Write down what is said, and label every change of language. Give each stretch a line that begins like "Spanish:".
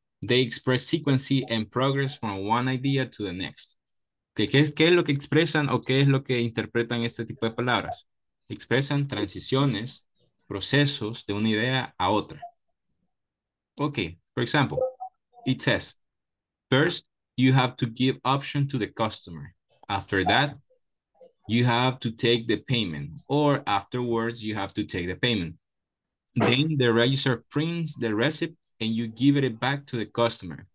English: They express sequence and progress from one idea to the next.
Spanish: Okay, ¿qué es lo que expresan o qué es lo que interpretan este tipo de palabras? Expresan transiciones, procesos de una idea a otra.
English: Okay, for example, it says, first, you have to give option to the customer. After that, you have to take the payment. Or afterwards, you have to take the payment. Then the register prints the receipt and you give it back to the customer.